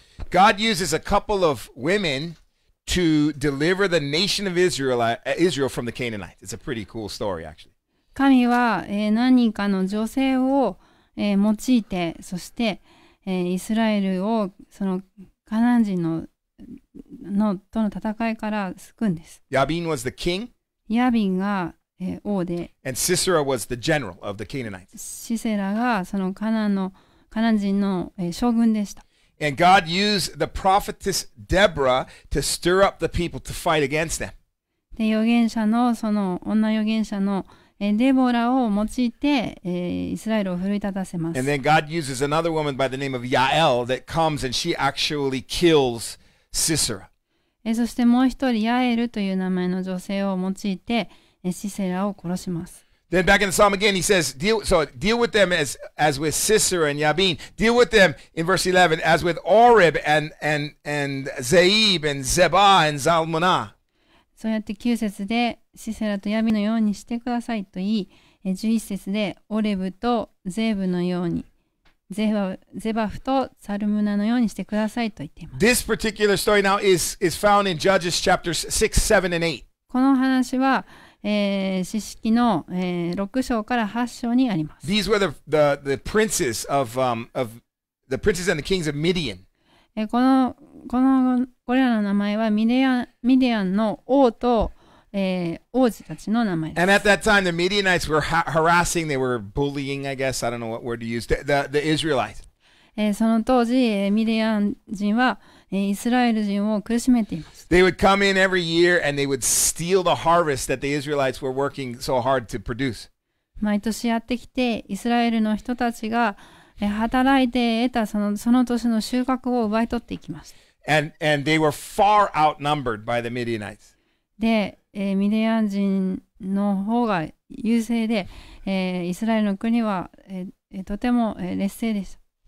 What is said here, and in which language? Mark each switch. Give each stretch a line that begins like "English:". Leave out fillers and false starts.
English: God uses a couple of women to deliver the nation of Israel from the Canaanites. It's a pretty cool story, actually.
Japanese: 神は、何人かの女性を、用いて、そして、イスラエルをそのカナン人のとの戦いから救うんです。
English: Yabin was the king.
Japanese: Yabin が、王で。
English: And Sisera was the general of the Canaanites.
Japanese: シセラがそのカナン人の、将軍でした。
English: And God used the prophetess Deborah to stir up the people to fight against them.
Japanese: で、預言者のその女預言者の、デボラを用いて、イスラエルを奮い立たせます。
English: And then God uses another woman by the name of Yael that comes and she actually killsSisera.
Japanese: そしてもう一人ヤエルという名前の女性を用いてシセラを殺します。
English: Then back in the psalm again, he says, deal with them as with Sisera and Yabin. Deal with them in verse 11 as with Oreb and Zeeb and Zeba and Zalmona.
Japanese: そうやって9節でシセラとヤビのようにしてくださいと言い、11節でオレブとゼーブのように。ゼバフとサルムナのようにしてくださいと言っています。
English: This particular story now is found in Judges chapters 6, 7, and 8.
Japanese: この話は、詩式の、6章から8章にあります。
English: These were the princes of the princes and the kings of Midian.
Japanese: これらの名前はミディアンの王と、王子たちの名前です。
English: And at that time, the Midianites were harassing, they were bullying, I guess, I don't know what word to use, the Israelites.
Japanese: その当時、ミディアン人は、イスラエル人を苦しめています。
English: They would come in every year and they would steal the harvest that the Israelites were working so hard to produce.
Japanese: 毎年やってきて、イスラエルの人たちが、働いて得たその年の収穫を奪い取っていきます。
English: And they were far outnumbered by the Midianites.
Japanese: でミディアン人の方が優勢で、イスラエルの国は、とても、劣勢でした。